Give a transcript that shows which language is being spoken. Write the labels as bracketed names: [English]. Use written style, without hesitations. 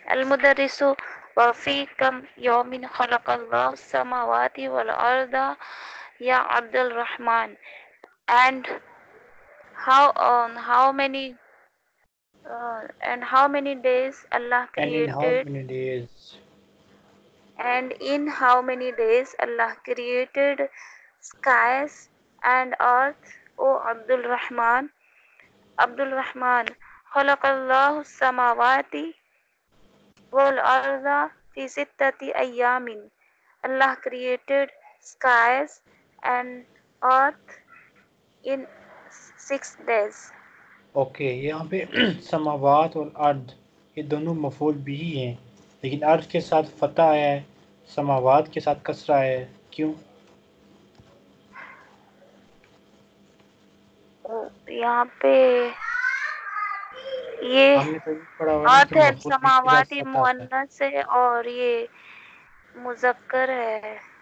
[Arabic] المدرس وفي كم يوم خلق الله السماوات والأرض يا عبد الرحمن؟ [English] And how on how many and how many days Allah created? And in how many days? And in how many days Allah created skies and earth? [Arabic] O Abdul Rahman, Abdul Rahman, خلق الله السماوات والأرض في ستة أيام. [English] Allah created skies and earth in 6 days. [Hindi] Okay, यहाँ पे समावात और अर्ध ये दोनों मफूल भी ही हैं, लेकिन अर्ध के साथ फतह आया है, समावात के साथ कसरा आया है, क्यों? यहाँ पे ये अर्ध है, समावात ये मुअन्नस है और ये मुजक्कर है.